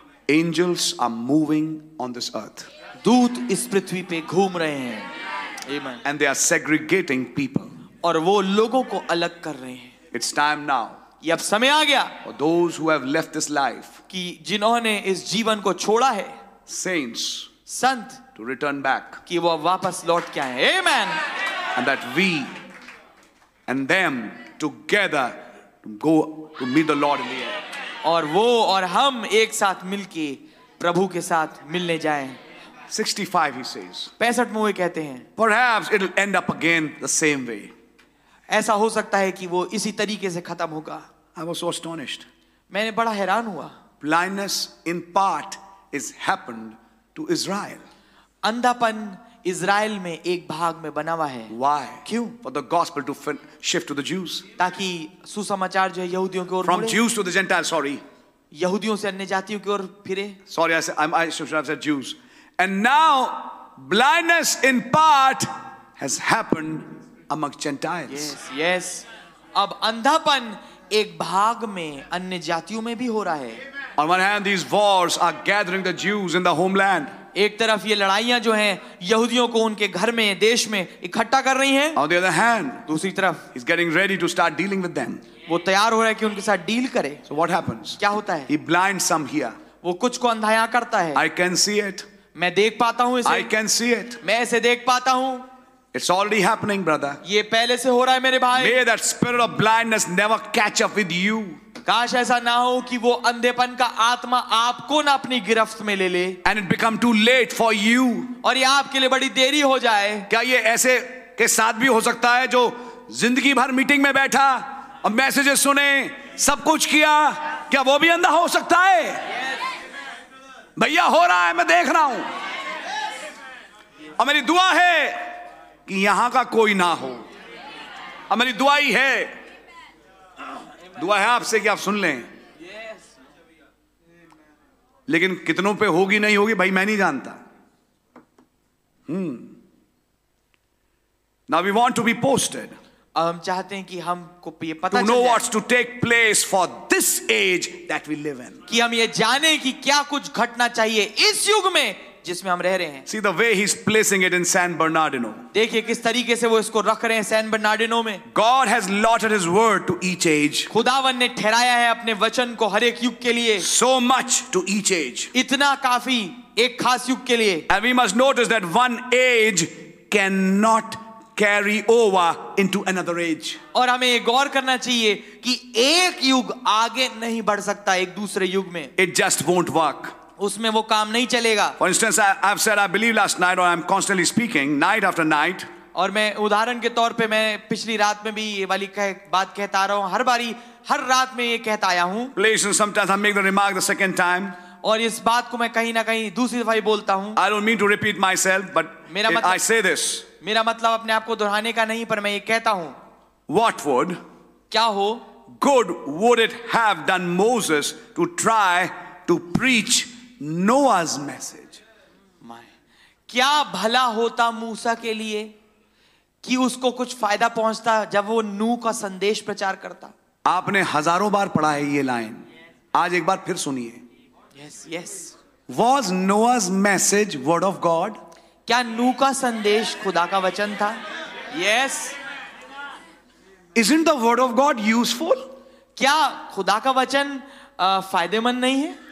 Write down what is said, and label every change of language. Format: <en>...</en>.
<en>Angels are moving on this earth.</en> <hi>दूत इस पृथ्वी पे घूम रहे हैं.</hi> <en>Amen. And they are segregating people.</en> <hi>और वो लोगों को अलग कर रहे हैं.</hi> <en>It's time now.</en> <hi>ये अब समय आ गया.</hi> <en>For those who have left this life.</en> <hi>कि जिन्होंने इस जीवन को छोड़ा है.</hi> <en>Saints.</en> <hi>Sant.</hi> <en>To return back.</en> <hi>कि वो वापस लौट के आए. Amen.</hi> <en>And that we and them together to go to meet the Lord in the air.</en> <hi>और वो और हम एक साथ मिलके प्रभु के साथ मिलने जाएं.</hi> <en>65 he says.</en> <hi>65 में वो कहते हैं.</hi> <en>Perhaps it'll end up again the same way.</en> <hi>ऐसा हो सकता है कि वो इसी तरीके से खत्म होगा.</hi> <en>I was so astonished.</en> <hi>मैंने बड़ा हैरान हुआ.</hi> <en>Blindness in part is happened to Israel.</en> <hi>अंधापन Israel में एक भाग में बना हुआ है.</hi> <en>Why?</en> <hi>क्यों?</hi> <en>For the gospel to shift to the Jews.</en> <hi>ताकि सुसमाचार जो है यहूदियों की ओर.</hi> <en>From Jews to the Gentiles, sorry.</en> <hi>यहूदियों से अन्य जातियों की ओर फिरे.</hi> <en>Sorry, I should have said Jews. And now blindness in part has happened among Gentiles. Yes, yes.</en> <hi>अब अंधापन एक भाग में अन्य जातियों में भी हो रहा है.</hi> <en>On one hand, these wars are gathering the Jews in the homeland.</en> <hi>एक तरफ ये लड़ाइयां जो हैं यहूदियों को उनके घर में देश में इकट्ठा कर रही हैं.</hi> <en>On the other hand,</en> <hi>दूसरी तरफ,</hi> <en>he's getting ready to start dealing with them.</en> <hi>वो तैयार हो रहा है कि उनके साथ डील करे.</hi> <en>So what happens?</en> <hi>क्या होता है?</hi> <en>He blinds some here.</en> <hi>वो कुछ को अंधाया करता है.</hi> <en>I can see it.</en> <hi>मैं देख पाता हूँ इसे.</hi> <en>I can see it.</en> <hi>मैं इसे देख पाता हूँ.</hi> <en>It's already happening, brother.</en> <hi>ये पहले से हो रहा है मेरे भाई.</hi> <en>May that spirit of blindness never catch up with you.</en> <hi>काश ऐसा ना हो कि वो अंधेपन का आत्मा आपको ना अपनी गिरफ्त में ले ले.</hi> <en>And it become too late for you.</en> <hi>और ये आपके लिए बड़ी देरी हो जाए. क्या ये ऐसे के साथ भी हो सकता है जो जिंदगी भर मीटिंग में बैठा और मैसेजेस सुने, सब कुछ किया, क्या वो भी अंधा हो सकता है? भैया हो रहा है, मैं देख रहा हूं. और मेरी दुआ है कि यहां का कोई ना हो. और मेरी दुआ ही है, दुआ है आपसे कि आप सुन लें. लेकिन कितनों पे होगी नहीं होगी भाई मैं नहीं जानता.</hi> <en>Now we want to be posted.</en> <hi>हम चाहते हैं कि हमको ये पता चले.</hi> <en>To know what's to take place for this age that we live in.</en> <hi>कि हम ये जाने कि क्या कुछ घटना चाहिए इस युग में जिसमें हम रह रहे हैं.</hi> <en>See the way he's placing it in San Bernardino.</en> <hi>देखिए किस तरीके से वो इसको रख रहे हैं San Bernardino में.</hi> <en>God has allotted his word to each age.</en> <hi>खुदावन ने ठहराया है अपने वचन को हर एक युग के लिए.</hi> <en>So much to each age.</en> <hi>इतना काफी एक खास युग के लिए.</hi> <en>And we must notice that one age cannot carry over into another age.</en> <hi>और हमें ये गौर करना चाहिए कि एक युग आगे नहीं बढ़ सकता एक दूसरे युग में.</hi> <en>It just won't work.</en> <hi>उसमें वो काम नहीं चलेगा.</hi> <en>For instance, I've said I believe last night, or I'm constantly speaking night after night.</en> <hi>और मैं उदाहरण के तौर पे मैं पिछली रात में भी ये वाली बात कहता रहा हूँ. हर बारी हर रात में ये कहता आया हूँ.</hi> <en>Please, sometimes I make the remark the second time.</en> <hi>और इस बात को मैं कहीं ना कहीं दूसरी दफा ही बोलता हूं.</hi> <en>I don't mean to repeat myself, but I say this.</en> <hi>मेरा मतलब अपने आप को दोहराने का नहीं, पर मैं ये कहता हूं.</hi> <en>What would?</en> <hi>क्या हो?</hi> <en>Good would it have done Moses to try to preach Noah's message?</en> <hi>क्या भला होता मूसा के लिए कि उसको कुछ फायदा पहुंचता जब वो नूह का संदेश प्रचार करता? आपने हजारों बार पढ़ा है ये लाइन, आज एक बार फिर सुनिए.</hi> <en>Yes, yes. Was Noah's message word of God?</en> <hi>क्या नूह का संदेश खुदा का वचन था?</hi> <en>Yes. Isn't the word of God useful?</en> <hi>क्या खुदा का वचन फायदेमंद नहीं है?</hi>